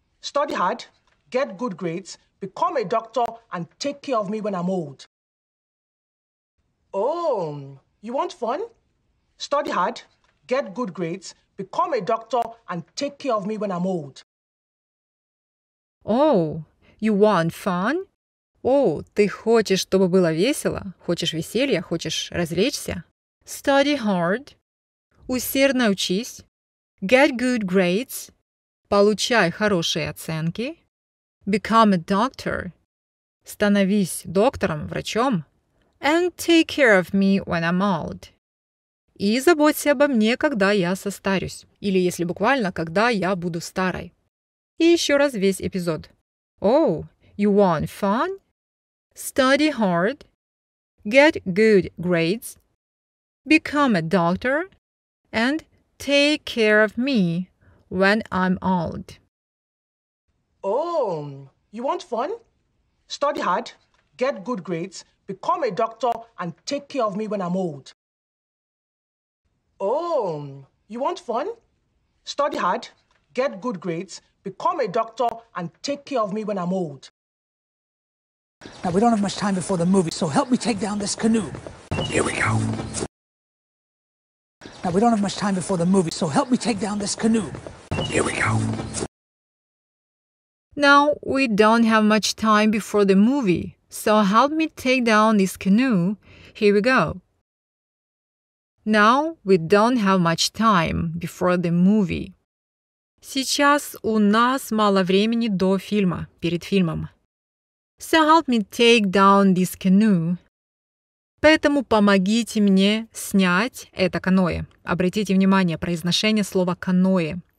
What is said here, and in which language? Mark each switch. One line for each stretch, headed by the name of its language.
English: Study hard, get good grades, become a doctor, and take care of me when I'm old. Oh, you want fun? Study hard, get good grades, become a doctor, and take care of me when I'm old. Oh, you want fun?
Russian: О, ты хочешь, чтобы было весело? Хочешь веселья? Хочешь развлечься?
English: Study hard.
Russian: Усердно учись.
English: Get good grades.
Russian: Получай хорошие оценки.
English: Become a doctor.
Russian: Становись доктором, врачом.
English: And take care of me when I'm old.
Russian: И заботься обо мне, когда я состарюсь. Или, если буквально, когда я буду старой. И еще раз весь эпизод.
English: Oh, you want fun? Study hard, get good grades, become a doctor, and take care of me when I'm old. Oh, you want fun? Study hard, get good grades, become a doctor, and take care of me when I'm old. Oh, you want fun? Study hard, get good grades, become a doctor, and take care of me when I'm old. Now, we don't have much time before the movie, so help me take down this canoe. Here we go. Now, we don't have much time before the movie, so help me take down this canoe. Here we go. Now, we don't have much time before the movie, so help me take down this canoe. Here we go. Now, we don't have much time before the movie.
Russian: Сейчас у нас мало времени до фильма, перед фильмом.
English: So help me take down this canoe.
Russian: Поэтому помогите мне снять это каноэ. Обратите внимание, произношение слова каноэ.